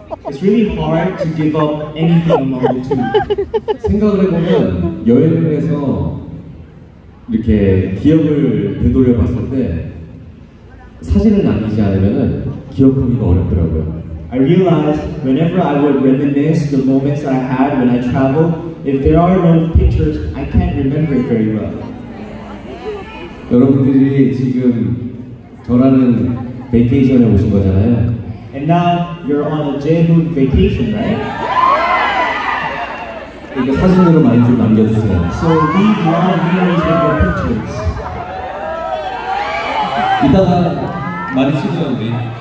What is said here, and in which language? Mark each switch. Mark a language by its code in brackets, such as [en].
[en] It's really hard to give up anything in my [ko] 생각을 해보면 여행을 해서 이렇게 기억을 되돌려봤을 때 사진을 남기지 않으면 기억하기가 어렵더라고요. [en] I realized whenever I would reminisce the moments I had when I travel, if there are no pictures, I can't remember it very well. [ko] 여러분들이 지금 저라는 베케이션에 오신 거잖아요. [en] And now you're on a Jehoon vacation, right? [ko] 이거 사진으로 많이 좀 남겨주세요. [en] So leave a lot of memories with your pictures. [ko] 이따가 많이 찍으셨는데.